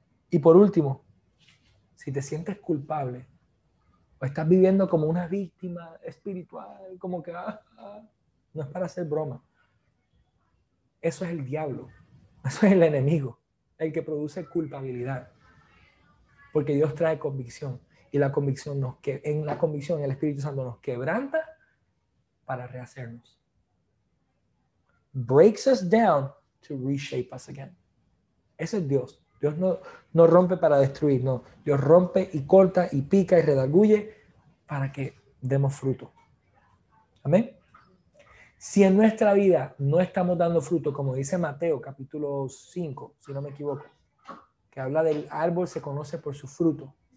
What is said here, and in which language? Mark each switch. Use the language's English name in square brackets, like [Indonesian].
[Spanish] Y por último, si te sientes culpable o estás viviendo como una víctima espiritual, como que no es para hacer broma. Eso es el diablo. Eso es el enemigo. El que produce culpabilidad. Porque Dios trae convicción. Y la convicción el Espíritu Santo nos quebranta para rehacernos. [English] Breaks us down to reshape us again. [Spanish] Ese es Dios. Dios no rompe para destruir, no. Dios rompe y corta y pica y redarguye para que demos fruto. Amén. Si en nuestra vida no estamos dando fruto, como dice Mateo capítulo 5, si no me equivoco, que habla del árbol se conoce por su fruto.